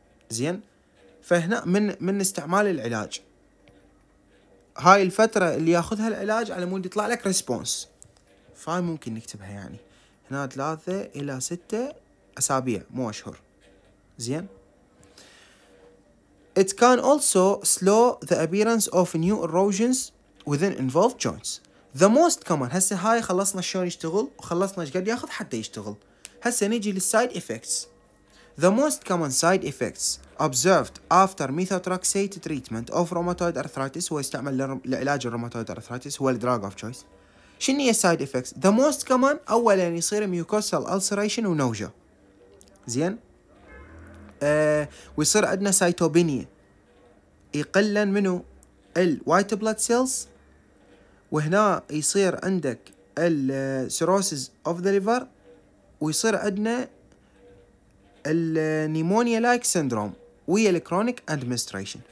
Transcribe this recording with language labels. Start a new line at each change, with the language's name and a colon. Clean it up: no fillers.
Arabic: زين فهنا من استعمال العلاج، هاي الفترة اللي يأخذها العلاج على مود يطلع لك response، فهاي ممكن نكتبها يعني هنا ثلاثة إلى ستة أسابيع مو أشهر. زين
English: it can also slow the appearance of new erosions within involved joints. The most common
Arabic: هسه هاي خلصنا شلون يشتغل وخلصنا ايش قد ياخذ حتى يشتغل، هسه نيجي للسايد افكتس.
English: The most common side effects observed after methotrexate treatment of rheumatoid arthritis
Arabic: هو يستعمل لعلاج الروماتويد ارثرايتس هو الدراج اوف تشويس. شنو هي السايد افكتس؟
English: The most common
Arabic: اولا يعني يصير ميوكوسال ulceration ونوجه. زين ويصير عندنا سايتوبينيا، يقلن منو الوايت بلاد سيلز، وهنا يصير عندك السيروسيس اوف ذا ليفر، ويصير عندنا النيمونيا لايك سيندروم ويا الكرونيك ادمنستريشن.